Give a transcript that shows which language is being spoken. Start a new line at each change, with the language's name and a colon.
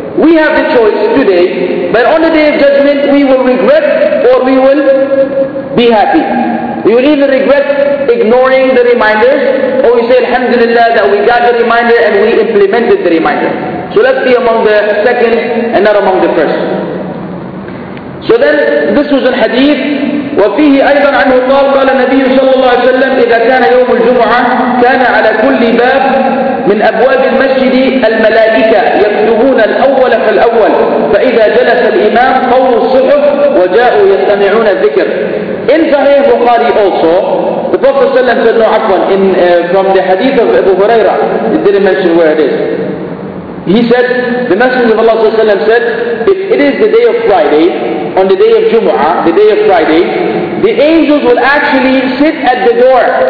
English: We have the choice today, but on the day of judgment we will regret or we will be happy. We will either regret ignoring the reminders, or we say Alhamdulillah that we got the reminder and we implemented the reminder. So let's be among the second and not among the first. So then this was a hadith.
Arabic: وفيه أيضا عنه قال قال النبي صلى الله عليه وسلم إذا كان يوم الجمعة كان على كل باب من أبواب المسجد الملائكة يكتبون الأول فالأول فإذا جلس الإمام قوموا الصحف وجاءوا يستمعون الذكر.
English: In Sahih Bukhari also, the Prophet ﷺ said, no,
Arabic: عفوا,
English: from the hadith of Abu Huraira, it didn't mention where it is. He said, the Messenger of Allah ﷺ said, if it is the day of Friday, on the day of Jumu'ah, the day of Friday, the angels will actually sit at the door.